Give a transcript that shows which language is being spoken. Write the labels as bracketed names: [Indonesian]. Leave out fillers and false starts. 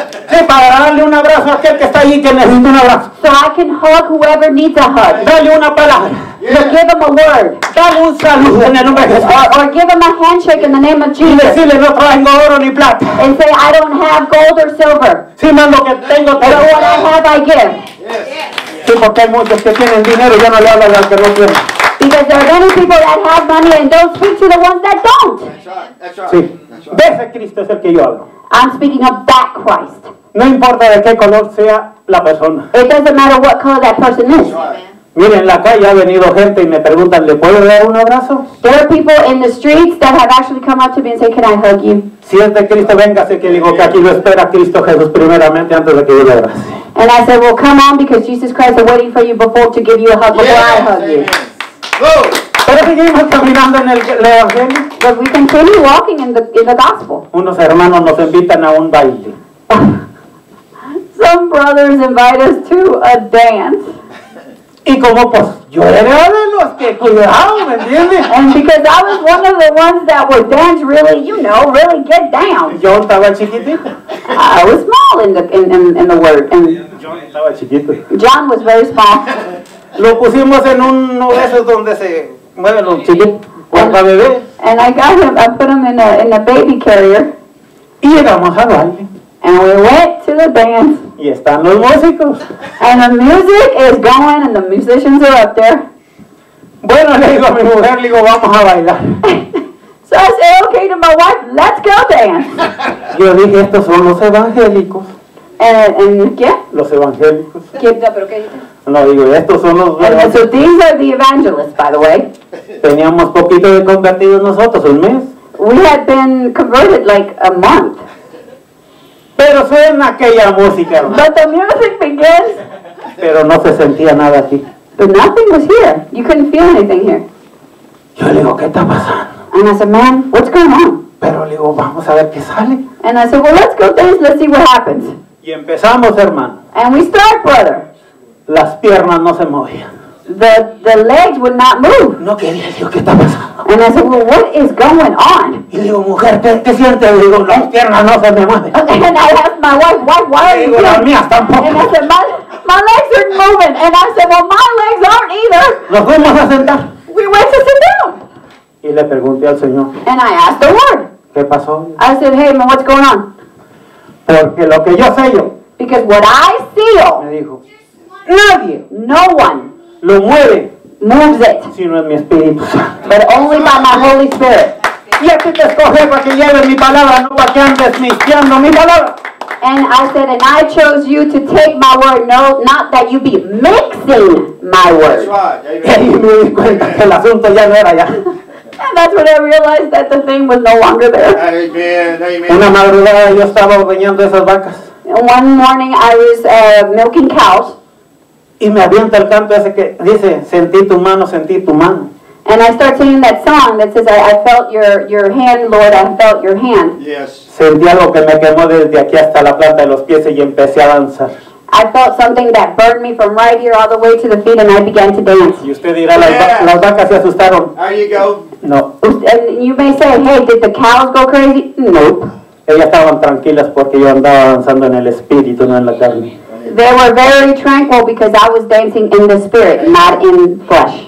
[Spanish] Sí, para darle un abrazo a aquel que está allí que necesita un abrazo. [English] So I can hug whoever needs a hug. [Spanish] Dale una palabra. [English] So give them a word. [Spanish] Dale un saludo en el nombre de Jesús. [English] Or give them a handshake in the name of Jesus. [Spanish] Y decirle, no traigo oro ni plata. [English] And say, I don't have gold or silver. [Spanish] Sí, man, lo que tengo, pero [English] what I have, I give. [Spanish] Sí, porque hay muchos que tienen dinero y yo no le hablo al que no tiene. [English] Because there are many people that have money and don't speak to the ones that don't. That's right. [Spanish] Sí. De ese Cristo es el que yo hablo. [English] I'm speaking of that Christ. [Spanish] No importa de qué color sea la persona. [English] It doesn't matter what color that person is. [Spanish] Miren, en la calle ha venido gente y me preguntan, ¿le puedo dar un abrazo? [English] There are people in the streets that have actually come up to me and say, can I hug you? [Spanish] Si es de Cristo, véngase, que digo que aquí lo espera Cristo Jesús primeramente antes de que yo le abrace. [English] And I said, well, come on, because Jesus Christ is waiting for you before to give you a hug before I hug you. [Spanish] Pero seguimos caminando en el evangelio. [English] But we continue walking in the gospel. [Spanish] Unos hermanos nos invitan a un baile. [English] Some brothers invite us to a dance. [Spanish] Y como pues yo era de los que cuidado, ¿me entiendes? [English] And because I was one of the ones that would dance really, you know, really get down. [Spanish] Yo estaba chiquitito. [English] I was small in the word. [Spanish] John estaba chiquito. [English] John was very small. [Spanish] Lo pusimos en uno de esos donde se mueven los chiquitos para bebé. [English] And I got him, I put him in a baby carrier. [Spanish] Y llegamos a baile. [English] And we went to the dance. [Spanish] Y están los músicos. [English] And the music is going and the musicians are up there. [Spanish] Bueno, le digo a mi mujer, le digo, vamos a bailar. [English] So I say, okay, to my wife, let's go dance. [Spanish] Yo dije, estos son los evangélicos. [English] And [Spanish] ¿qué? Los evangélicos. ¿Qué? ¿Pero qué dices? No, digo, estos son los evangelistas. [English] So these are the evangelists, by the way. [Spanish] Teníamos poquito de convertidos nosotros, un mes. [English] We had been converted like a month. [Spanish] Pero suena aquella música. [English] But the music begins. [Spanish] Pero no se sentía nada aquí. [English] But nothing was here. You couldn't feel anything here. [Spanish] Yo le digo, ¿qué está pasando? [English] And I said, man, what's going on? [Spanish] Pero le digo, vamos a ver qué sale. [English] And I said, well, let's go dance, let's see what happens. [Spanish] Y empezamos, hermano. [English] And we start, brother. [Spanish] Las piernas no se movían. [English] The legs would not move. [Spanish] No quería decir, ¿qué está pasando? [English] And I said, well, what is going on? [Spanish] Y digo, mujer, ¿qué sientes? Y digo, las piernas no se me mueven. [English] And I asked my wife, why are [Spanish] digo, [English] you [Spanish] las mías tampoco. [English] And I said, my legs aren't moving. And I said, well, my legs aren't either. [Spanish] Nos fuimos a sentar. [English] We went to sit down. [Spanish] Y le pregunté al Señor. [English] And I asked the Lord. [Spanish] ¿Qué pasó? [English] I said, hey, man, what's going on? [Spanish] Porque lo que yo sé yo. [English] Because what I feel. [Spanish] Me dijo. Nadie, [English] no one, [Spanish] lo mueve, [English] moves it, [Spanish] sino en mi Espíritu Santo, [English] but only by my Holy Spirit. [Spanish] Y aquí te escogí para que lleves mi palabra, no para que andes misteando mi palabra. [English] And I said, and I chose you to take my word, no, not that you be mixing my word. [Spanish] Y ahí me di cuenta que el asunto ya no era ya. [English] And that's when I realized that the thing was no longer there. Amen. [Spanish] Una madrugada yo estaba ordeñando esas vacas. [English] One morning I was milking cows. [Spanish] Y me avienta el canto ese que dice, sentí tu mano, sentí tu mano. [English] And I start singing that song that says, I felt your hand, Lord, I felt your hand. Yes. [Spanish] Sentí algo que me quemó desde aquí hasta la planta de los pies y empecé a danzar. [English] I felt something that burned me from right here all the way to the feet and I began to dance. [Spanish] Y usted dirá, las vacas se asustaron. [English] There you go. [Spanish] No. [English] And you may say, hey, did the cows go crazy? Nope. [Spanish] Ellas estaban tranquilas porque yo andaba danzando en el espíritu, no en la carne. [English] they were very tranquil because I was dancing in the spirit, not in flesh.